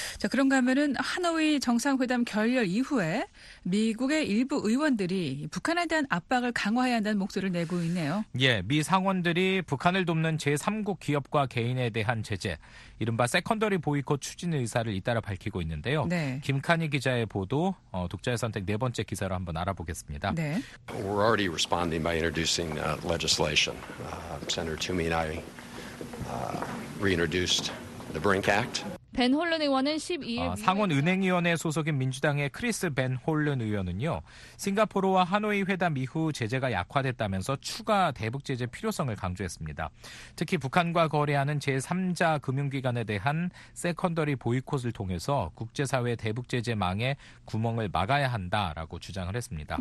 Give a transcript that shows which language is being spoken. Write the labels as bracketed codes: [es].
[ko] 자, 그런가 하면은 하노이 정상회담 결렬 이후에 미국의 일부 의원들이 북한에 대한 압박을 강화해야 한다는 목소리를 내고 있네요. 예, 미 상원들이 북한을 돕는 제3국 기업과 개인에 대한 제재, 이른바 세컨더리 보이콧 추진 의사를 잇따라 밝히고 있는데요. 네. 김카니 기자의 보도, 독자의 선택 네 번째 기사로 한번 알아보겠습니다. 네. [en] We're already responding by introducing legislation. Senator Toomey and I reintroduced the Brink Act. [ko] 벤 홀른 의원은 12일 상원 은행위원회 소속인 민주당의 크리스 벤 홀른 의원은요. 싱가포르와 하노이 회담 이후 제재가 약화됐다면서 추가 대북 제재 필요성을 강조했습니다. 특히 북한과 거래하는 제3자 금융기관에 대한 세컨더리 보이콧을 통해서 국제사회 대북 제재 망의 구멍을 막아야 한다라고 주장을 했습니다.